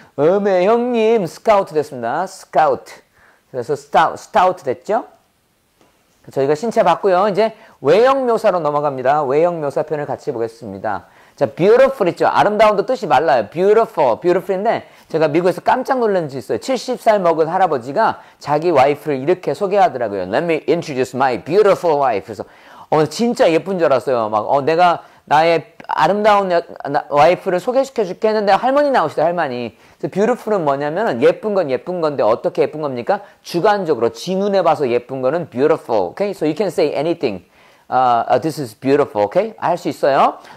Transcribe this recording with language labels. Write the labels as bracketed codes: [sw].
[ko] 어메, 형님, 스카우트 됐습니다. 스카우트. 그래서 스타우트 됐죠? 저희가 신체 봤고요. 이제 외형 묘사로 넘어갑니다. 외형 묘사편을 같이 보겠습니다. 자, beautiful 있죠. 아름다운도 뜻이 말라요. beautiful인데 제가 미국에서 깜짝 놀란 적이 있어요. 70살 먹은 할아버지가 자기 와이프를 이렇게 소개하더라고요. [en] Let me introduce my beautiful wife. [ko] 그래서 진짜 예쁜 줄 알았어요. 막 내가 나의 아름다운 와이프를 소개시켜줄게 했는데 할머니 나오시다, 할머니. 그래서 beautiful은 뭐냐면 예쁜 건 예쁜 건데 어떻게 예쁜 겁니까? 주관적으로 지 눈에 봐서 예쁜 거는 beautiful. [en] Okay? So you can say anything. This is beautiful. Okay? [ko] 할 수 있어요.